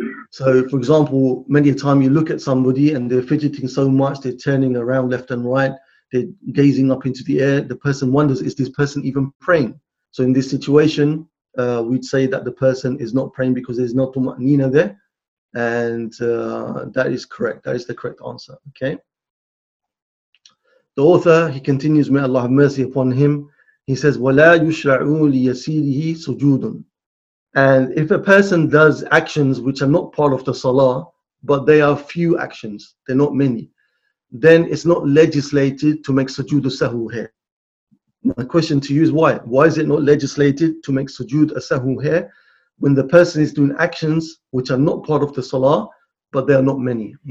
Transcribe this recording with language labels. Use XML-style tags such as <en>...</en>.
<en>So for example, many a time you look at somebody and they're fidgeting so much, they're turning around left and right, they're gazing up into the air, the person wonders, is this person even praying? So in this situation, we'd say that the person is not praying because there's no tuma'nina there. And that is correct. That is the correct answer. Okay. The author, he continues, may Allah have mercy upon him. He says,</en> <ar>وَلَا يُشْرَعُوا لِيَسِيرِهِ سُجُودٌ.</ar> <en>And if a person does actions which are not part of the salah, but they are few actions, they're not many, then it's not legislated to make sujood sahu here. My question to you is why? Why is it not legislated to make sujood a sahu here when the person is doing actions which are not part of the salah, but they are not many?</en>